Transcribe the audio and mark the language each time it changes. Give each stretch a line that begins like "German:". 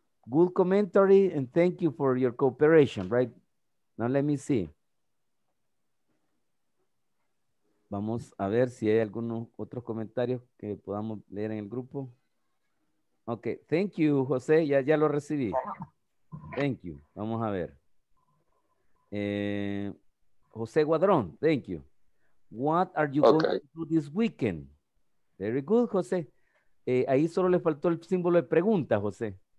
English: Good commentary, and thank you for your cooperation, right? Now, let me see.
Spanish: Vamos a ver si hay algunos otros comentarios que podamos leer en el grupo.
English: Okay, thank you,
Spanish: José. Ya lo recibí.
English: Thank you.
Spanish: Vamos a ver.
English: José Guadrón, thank you. What are you going to do this weekend? Very good, José.
Spanish: Ahí solo le faltó el símbolo de pregunta, José.